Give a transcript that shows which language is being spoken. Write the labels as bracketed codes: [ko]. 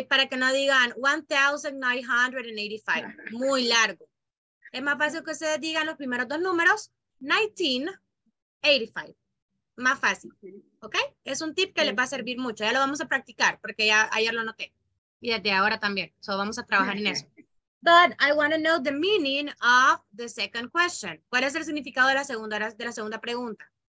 [es] Para que no digan 1985, muy largo. Es más fácil que ustedes digan los primeros dos números, 1985, más fácil, ¿ok? Es un tip que les va a servir mucho, ya lo vamos a practicar, porque ya ayer lo noté, y desde ahora también, so vamos a trabajar en eso. [en] But I want to know the meaning of the second question. [es] ¿Cuál es el significado de la segunda pregunta?